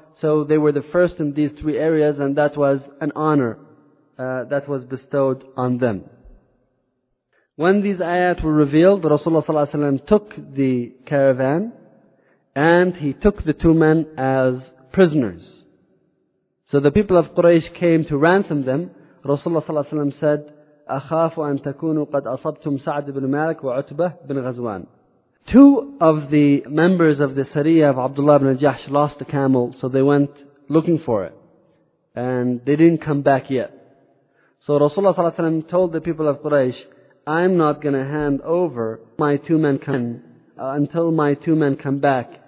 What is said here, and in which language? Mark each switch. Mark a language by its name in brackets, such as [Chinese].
[English] So they were the first in these three areas, and that was an honor that was bestowed on them. When these ayat were revealed, Rasulullah sallallahu alaihi wasallam took the caravan and he took the two men as prisoners. So the people of Quraysh came to ransom them. [Arabic] Rasulullah sallallahu alaihi wasallam said, أَخَافُ أَن تَكُونُوا قَدْ أَصَبْتُمْ سَعْدِ بْنِ مَالِكِ وَعُتْبَةِ بْنِ غَزْوَانِ. [English] Two of the members of the Sariya of Abdullah ibn Jahsh lost the camel, so they went looking for it. And they didn't come back yet. So Rasulullah sallallahu alayhi wa sallam told the people of Quraysh, I'm not going to hand over my two men until my two men come back.